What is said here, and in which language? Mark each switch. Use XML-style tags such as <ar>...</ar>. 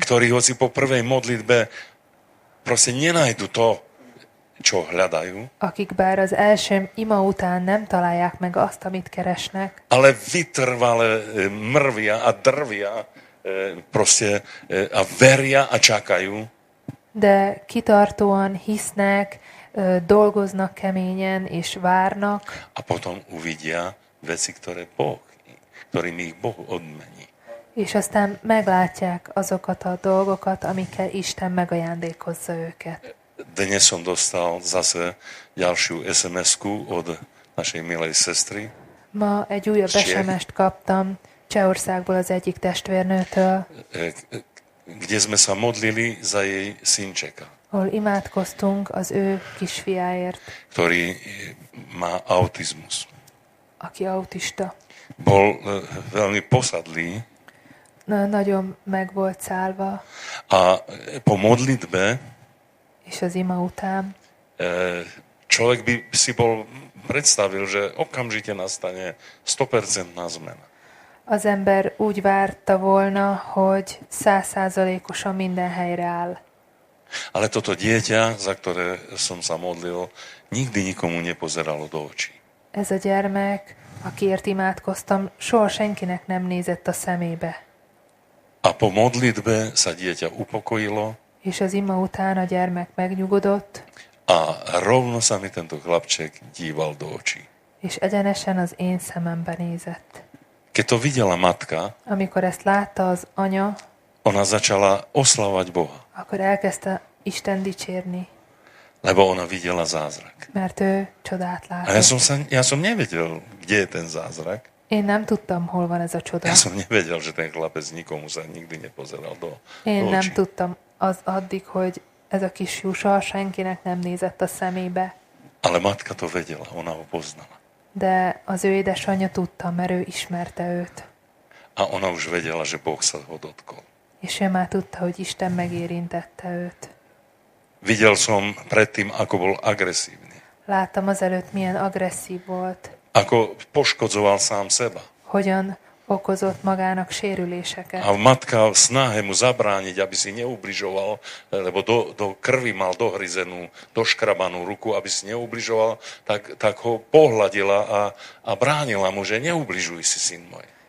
<sk>Ktorí hoci po prvej modlitbe proste nenájdu to, čo hľadajú.</sk> <hu>Akik bár az első ima után nem találják meg azt, amit keresnek.</hu> <sk>Ale vytrvale mrvia a drvia proste a veria a čakajú.</sk> <hu>De kitartóan hisznek, dolgoznak keményen és várnak.</hu> <sk>A potom uvidia veci, ktoré Boh, ktorým ich Boh odmení.</sk> <hu>És aztán meglátják azokat a dolgokat, amikkel Isten megajándékozza őket.</hu> <sk>Dnes som dostal zase ďalšiu SMS-ku od našej milej sestry.</sk> <hu>Ma egy újabb SMS-t kaptam Csehországból az egyik testvérnőtől.</hu> <sk>Kde sme sa modlili za jej synčeka.</sk> <hu>Ahol imádkoztunk az ő kisfiáért.</hu> <sk>Ktorý má autizmus.</sk> <hu>Aki autista.</hu> <sk>Bol veľmi posadlý.</sk> <hu>Nagyon meg volt szálva.</hu> <sk>A po modlitbe</sk> <hu>és az ima után.</hu> <sk>Človek by si bol predstavil, že okamžite nastane 100% zmena.</sk> <hu>Az ember úgy várta volna, hogy 100%-osan minden helyre áll.</hu> <sk>Ale toto dieťa, za ktoré som sa modlil, nikdy nikomu nepozeralo do očí.</sk> <hu>Ez a gyermek, akiért imádkoztam, soha senkinek nem nézett a szemébe.</hu> <sk>A po modlitbe sa dieťa upokojilo.</sk> <hu>És az ima után a gyermek megnyugodott.</hu> <sk>A rovno sa mi tento chlapček díval do očí.</sk> <hu>És egyenesen az én szemembe nézett.</hu> <sk>Keď to videla matka,</sk> <hu>amikor ezt látta az anya,</hu> <sk>ona začala oslavať Boha.</sk> <hu>Akkor elkezdte Isten dicsérni.</hu> <sk>Lebo ona videla zázrak.</sk> <hu>Mert ő csodát látott.</hu> <sk>A ja som nevedel, kde je ten zázrak.</sk> <hu>Én nem tudtam, hol van ez a csoda.</hu> <sk>Ja som nevedel, že ten chlapec nikomu sa nikdy nepozeral do očí.</sk> <hu>Én nem tudtam az addig, hogy ez a kis Jusa senkinek nem nézett a szemébe.</hu> <sk>Ale matka to vedela, ona ho poznala.</sk> <hu>De az ő édesanyja tudta, mert ő ismerte őt.</hu> <sk>A ona už vedela, že Boh sa ho dotkol.</sk> <hu>És ő már tudta, hogy Isten megérintette őt.</hu> <sk>Videl som predtým, ako bol agresívny.</sk> <hu>Láttam azelőtt, milyen agresszív volt.</hu> <sk>Ako poškodzoval sám seba.</sk> <hu>Hogyan okozott magának sérüléseket.</hu> <sk>A matka v snahe mu zabrániť, aby si neubližoval, lebo do krvi mal dohryzenú, doškrabanú ruku, aby si neubližoval, tak ho pohladila a bránila mu, že neubližuj si, syn môj.</sk>